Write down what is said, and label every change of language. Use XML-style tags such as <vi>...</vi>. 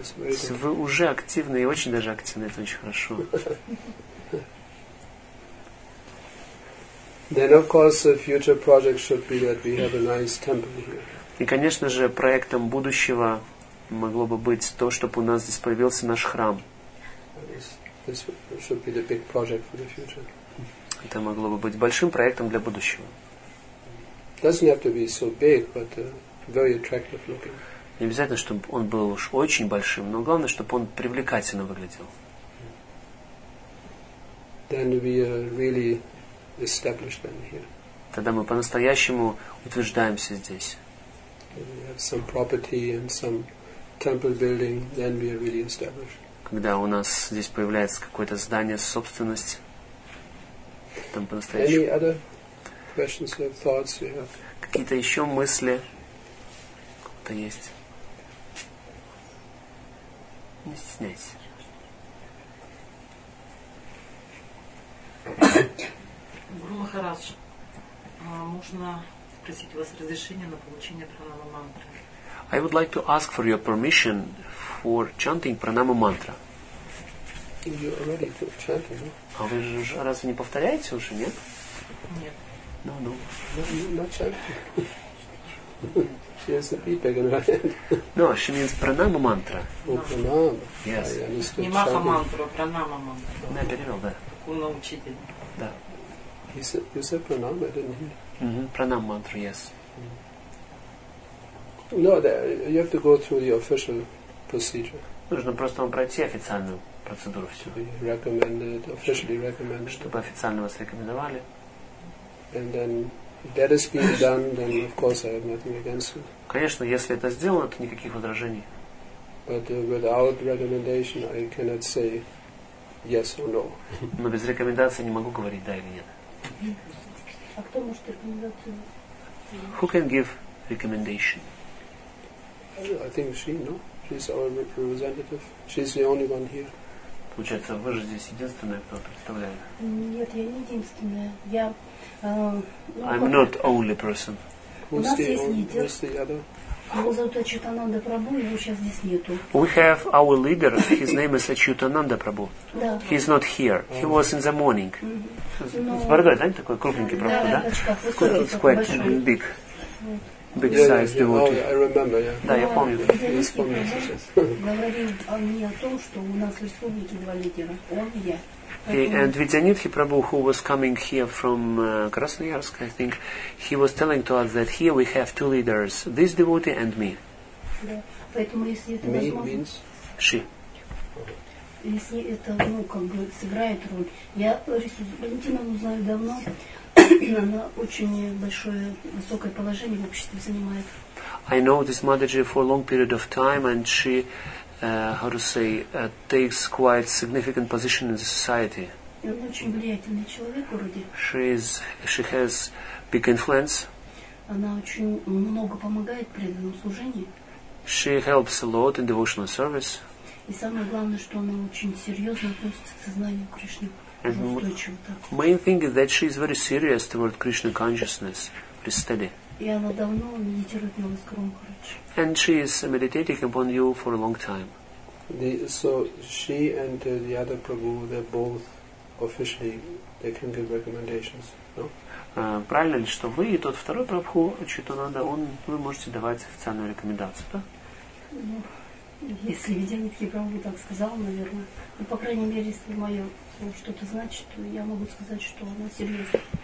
<ru>Вы уже активны, и очень даже активны, это очень хорошо.</ru> <en>Then of course the future project should be that we have a nice temple here.</en> <ru>И конечно же проектом будущего могло бы быть то, чтобы у нас здесь появился наш храм.</ru> <en>This should be the big project for the future.</en> <ru>Это могло бы быть большим проектом для будущего.</ru> <en>Doesn't have to be so big, but very attractive looking.</en> <ru>Не обязательно, чтобы он был уж очень большим, но главное, чтобы он привлекательно выглядел.</ru> <en>Then we really established them here.</en> <ru>Тогда мы по-настоящему утверждаемся здесь.</ru> <en>We have some property and some temple building, then we are really established.</en> <ru>Когда у нас здесь появляется какое-то здание, собственность, там по-настоящему.</ru> <en>Any other questions or thoughts you have?</en> <ru>Какие-то еще мысли? Кто-то есть? Не стесняйся. Гуру Махарадж, можно спросить у вас разрешение на получение пранама мантры?</ru> <en>I would like to ask for your permission for chanting pranama mantra. You already chanted, no?</en> <ru>А вы же разве не повторяете уже, нет? Нет.</ru> <en>No, no. Not chanting. She has a feedback in her head. No, she means pranama mantra. Oh, pranama. Yes.</en> <ru>Не маха мантру, а пранама мантру. Да, перевел, да. Куна учитель. Да.</ru> <en>You said pranama, didn't you? Mm-hmm. Pranama mantra, yes. Mm. No, you have to go through the official procedure.</en> <ru>Нужно просто пройти официальную процедуру всю.</ru> <en>We recommended, officially recommended.</en> <ru>Чтобы официально вас рекомендовали.</ru> <en>And then that is being done, then of course I have nothing against it.</en> <ru>Конечно, если это сделано, то никаких возражений.</ru> <en>But without recommendation, I cannot say yes or no.</en> <ru>Но без рекомендации не могу говорить да или нет. А кто может рекомендацию?</ru> <en>Who can give recommendation? I think she, no? She's our representative. She's the only one here.</en> <ru>Получается, вы же здесь единственная, кто представляет? Нет, я не единственная. Я.</ru> <en>I'm not only person. Who's the only person? We have our leader, his name is Achyutananda Prabhu. He is not here. He was in the morning.</en> <ru>С бородой, да, такой крупненький Прабху, да?</ru> <en>It's quite big. Big size devotee. I remember, yeah.</en> <ru>Да, я помню. Говорил не о том, что у нас в республике два лидера. Он и я.</ru> <en>And Vidyanidhi Prabhu, who was coming here from Krasnoyarsk, I think, he was telling to us that here we have two leaders, this devotee and me. Me means? She.</en> <ru>Если это, ну, как бы, сыграет роль. Я Валентину знаю давно, она очень большое, высокое положение в обществе занимает.</ru> <en>I know this Mataji for a long period of time, and she, how to say, takes quite significant position in the society.</en> <ru>Она очень влиятельный человек в городе.</ru> <en>She has big influence.</en> <ru>Она очень много помогает при этом служении.</ru> <en>She helps a lot in devotional service.</en> <ru>И самое главное, что она очень серьезно относится к сознанию Кришны.</ru> <en>And main thing is that she is very serious toward Krishna consciousness, very steady.</en> <ru>И она давно медитирует на Воскресном Харе.</ru> <en>And she is meditating upon you for a long time. So she and the other Prabhu, they both officially, they can give recommendations, no?</en> <ru>Правильно ли, что вы и тот второй Прабху, Чайтананда, он, вы можете давать официальную рекомендацию, да? Если Видянитхи Прабху так сказал, наверное. Ну, по крайней мере, если мое что-то значит, то я могу сказать, что оно серьезно.</ru>